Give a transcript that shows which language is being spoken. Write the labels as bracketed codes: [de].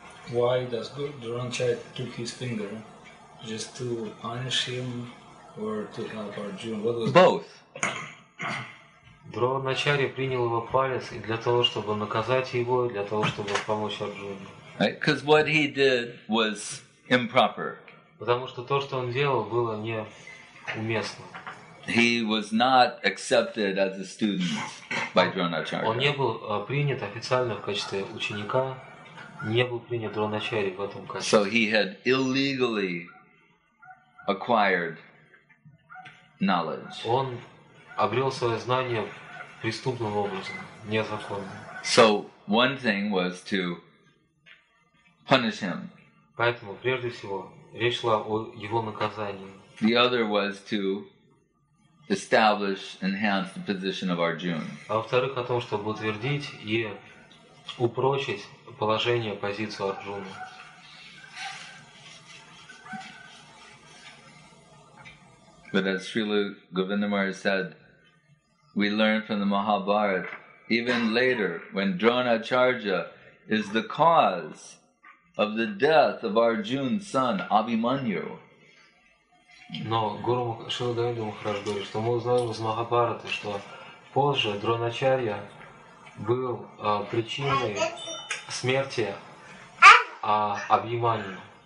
[en] Why does Dronacharya took his finger? Just to punish him or to help Arjuna? What was both. [ru] Дроначарья принял его палец и для того, чтобы наказать его, и для того, чтобы помочь Арджуне. [en] Because what he did was improper. [ru] Потому что то, что он делал, было неуместно. [en] He was not accepted as a student by Dronacharya. [ru] Он не был принят официально в качестве ученика, не был принят Дроначарьей в этом качестве. [en] So he had illegally acquired knowledge. [ru] Он обрел свое знание преступным образом, незаконно. [en] So one thing was to punish him. [ru] Поэтому прежде всего речь шла о его наказании. [en] The other was to establish, enhance the position of Arjuna. [ru] А во-вторых, о том, чтобы утвердить и упрочить положение, позицию Арджуны. [en] But as Srila Govinda Maharaj said, we learn from the Mahabharata, even later, when Dronacharya is the cause of the death of Arjuna's son, Abhimanyu. [ru] Но Гуру Шрила Говинда Махарадж говорит, что мы узнаем из Махабхараты, что позже Дроначарья был причиной смерти Абхиманью.